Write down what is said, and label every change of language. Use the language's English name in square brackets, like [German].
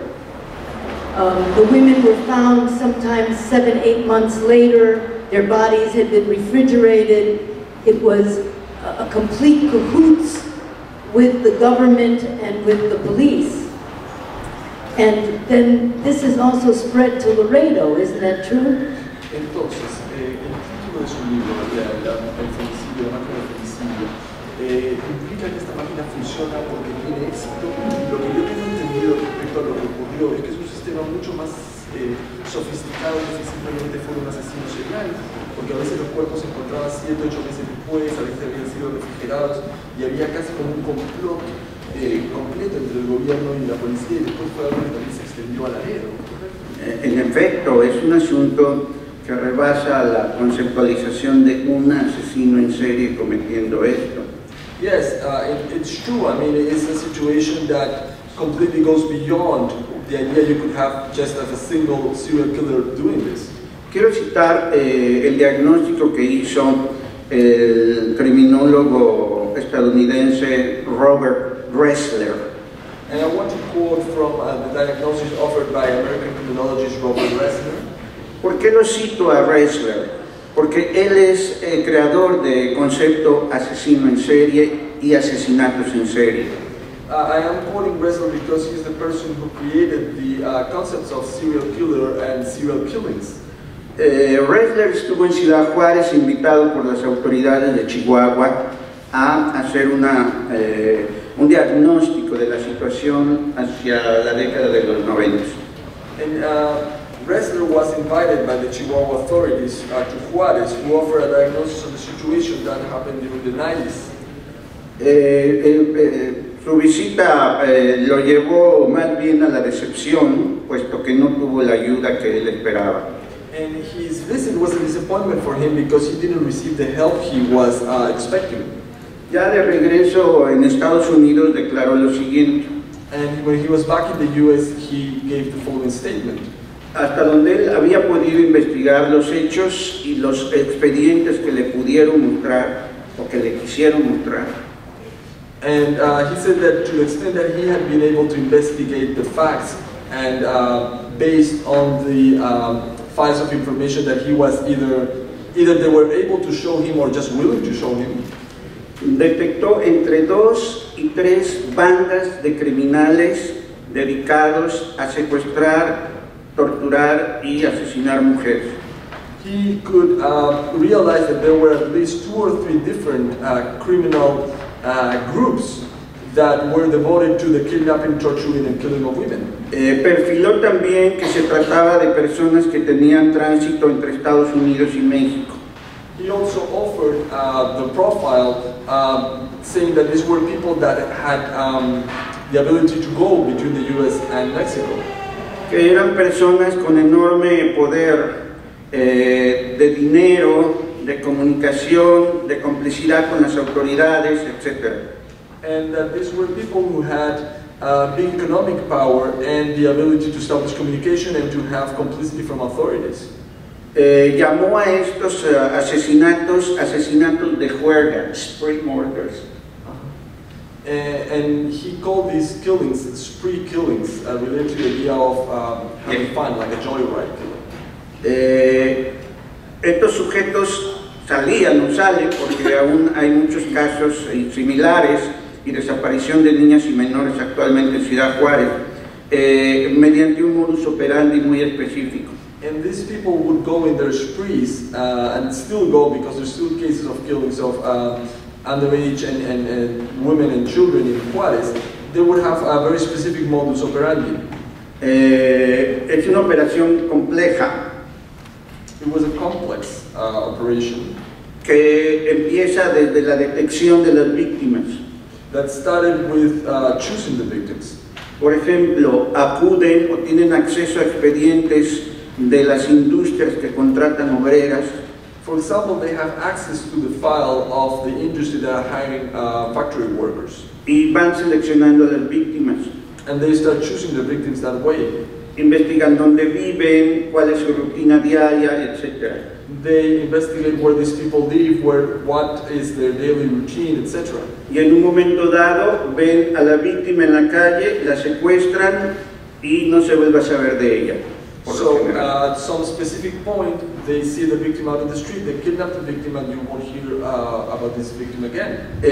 [English] The women were found sometimes 7-8 months later, their bodies had been refrigerated. It was a complete cahoots with the government and with the police. And then this is also spread to Laredo, isn't that true? [Spanish] Entonces, el título de su libro, El femicidio, la máquina de femicidio, implica que esta máquina funciona porque tiene éxito. Lo que yo tengo entendido respecto a lo que ocurrió es que es un sistema mucho más sofisticado que si simplemente fue un asesino serial, porque a veces los cuerpos se encontraban 7-8 meses después, a veces habían sido refrigerados y había casi como un complot completo entre el gobierno y la policía, y después fue algo que también se extendió a Laredo. En efecto, es un asunto que rebasa la conceptualización de un asesino en serie cometiendo esto. [English] Yes, it's true. I mean, it's a situation that completely goes beyond the idea you could have just as a single serial killer doing this. [Spanish] Quiero citar el diagnóstico que hizo el criminólogo estadounidense Robert Ressler. [English] And I want to quote from the diagnosis offered by American criminologist Robert Ressler. [Spanish] ¿Por qué lo cito a Ressler? Porque él es el creador del concepto asesino en serie y asesinatos en serie. [English] I am quoting Ressler because he's the person who created the concepts of serial killer and serial killings. [Spanish] Ressler estuvo en Ciudad Juárez invitado por las autoridades de Chihuahua a hacer una un diagnóstico de la situación hacia la década de los 90. [English] And Ressler was invited by the Chihuahua authorities to Juarez, who offered a diagnosis of the situation that happened during the 90s. [Spanish] Su visita lo llevó más bien a la decepción, puesto que no tuvo la ayuda que él esperaba. [English] And his visit was a disappointment for him because he didn't receive the help he was expecting. [Spanish] Ya de regreso en Estados Unidos declaró lo siguiente. [English] And when he was back in the U.S., he gave the following statement. [Spanish] Hasta donde él había podido investigar los hechos y los expedientes que le pudieron mostrar o que le quisieron mostrar. [English] And he said that to the extent that he had been able to investigate the facts and based on the files of information that he was either they were able to show him or just willing to show him. [Spanish] Detectó entre dos y tres bandas de criminales dedicados a secuestrar, torturar y asesinar mujeres. [English] He could realize that there were at least two or three different criminal groups that were devoted to the kidnapping, torturing, and killing of women. [Spanish] Perfiló también que se trataba de personas que tenían tránsito entre Estados Unidos y México. [English] He also offered the profile, saying that these were people that had the ability to go between the U.S. and Mexico. [Spanish] Que eran personas con enorme poder de dinero, de comunicación, de complicidad con las autoridades, etc. [English] And that these were people who had big economic power and the ability to establish communication and to have complicity from authorities. [Spanish] Llamó a estos asesinatos, asesinatos de juerga, [English] spree murders. And he called these killings spree killings, related to the idea of having fun, like a joyride killing. [Spanish] Estos sujetos salían, no salen, porque aún hay muchos casos similares y desaparición de niñas y menores actualmente en Ciudad Juárez, mediante un modus operandi muy específico. [English] And these people would go in their sprees and still go because there's still cases of killings of underage and women and children in Juarez. They would have a very specific modus operandi. [Spanish] Es una operación compleja. [English] It was a complex operation. [Spanish] Que empieza desde la detección de las víctimas. [English] That started with choosing the victims. [Spanish] Por ejemplo, acuden o tienen acceso a expedientes de las industrias que contratan obreras. [English] For example, they have access to the file of the industry that are hiring factory workers. [Spanish] Y van seleccionando las víctimas. [English] And they start choosing the victims that way. [Spanish] Investigan dónde viven, cuál es su rutina diaria, etc. [English] They investigate where these people live, where what is their daily routine, etc. [Spanish] Y en un momento dado, ven a la víctima en la calle, la secuestran y no se vuelve a saber de ella. [English] So, at some specific point, they see the victim out in the street, they kidnap the victim, and you won't hear about this victim again.